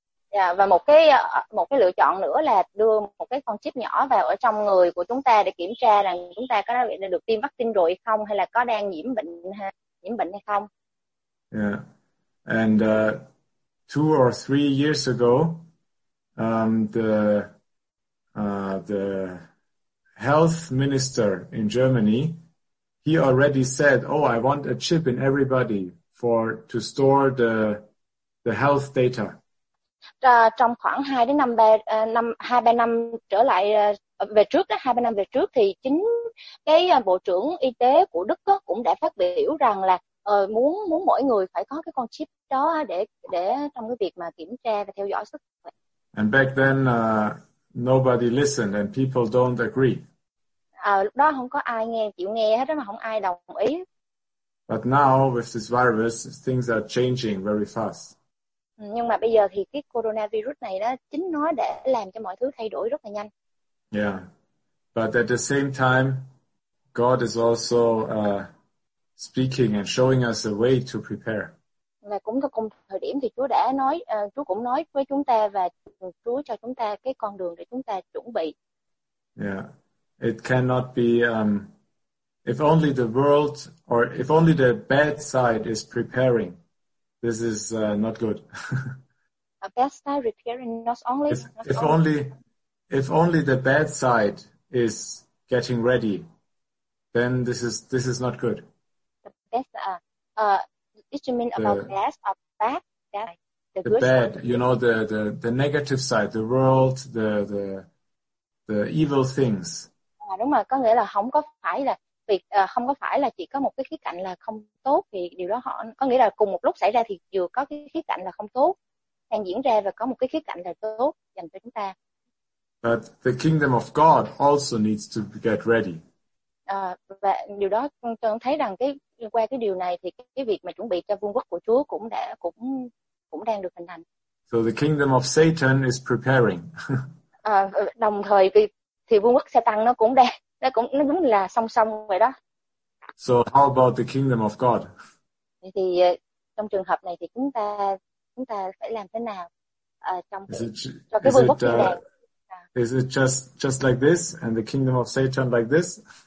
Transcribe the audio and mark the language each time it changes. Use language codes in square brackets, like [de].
[vi] Yeah, và một cái lựa chọn nữa là đưa một cái con chip nhỏ vào ở trong người của chúng ta để kiểm tra rằng chúng ta có đã bị được tiêm vaccine rồi không, hay là có đang nhiễm bệnh hay không. [en] Yeah, and two or three years ago, the health minister in Germany, he already said, "Oh, I want a chip in everybody to store the health data." [vi] Trong khoảng 2 đến 3 năm trở lại về trước đó, 2-3 năm về trước, thì chính cái bộ trưởng y tế của Đức đó cũng đã phát biểu rằng là muốn mỗi người phải có cái con chip đó để trong cái việc mà kiểm tra và theo dõi sức khỏe. [en] And back then nobody listened and people don't agree. [vi] Lúc đó không có ai chịu nghe hết đó, mà không ai đồng ý. [en] But now with this virus things are changing very fast. [vi] Nhưng mà bây giờ thì cái coronavirus này đó, chính nó đã làm cho mọi thứ thay đổi rất là nhanh. Yeah. [en] But at the same time God is also speaking and showing us a way to prepare. [vi] Và cũng cùng thời điểm thì Chúa đã nói, Chúa cũng nói với chúng ta và Chúa cho chúng ta cái con đường để chúng ta chuẩn bị. [en] Yeah. It cannot be if only the world or if only the bad side is preparing. This is not good. A bad side preparing, if only the bad side is getting ready, then this is not good. The best, did you mean about bad or bad? The bad, side. You know, the negative side, the world, the evil things. [vi] À, đúng rồi, có nghĩa là không có phải là việc không có phải là chỉ có một cái khía cạnh là không tốt, thì điều đó có nghĩa là cùng một lúc xảy ra thì vừa có cái khía cạnh là không tốt đang diễn ra và có một cái khía cạnh là tốt dành cho chúng ta. [en] But the kingdom of God also needs to get ready. [vi] Và điều đó tôi thấy rằng qua cái điều này thì cái việc mà chuẩn bị cho vương quốc của Chúa cũng đang được hình thành. [en] So the kingdom of Satan is preparing. [vi] Đồng thời thì vương quốc Satan nó cũng là song song vậy đó. [en] So how about the kingdom of God? [vi] Thì trong trường hợp này thì chúng ta phải làm thế nào trong [en] is it, [vi] cho cái [en] is [vi] vương [en] it, [vi] quốc thiên đàng? [en] Is it just like this and the kingdom of Satan like this?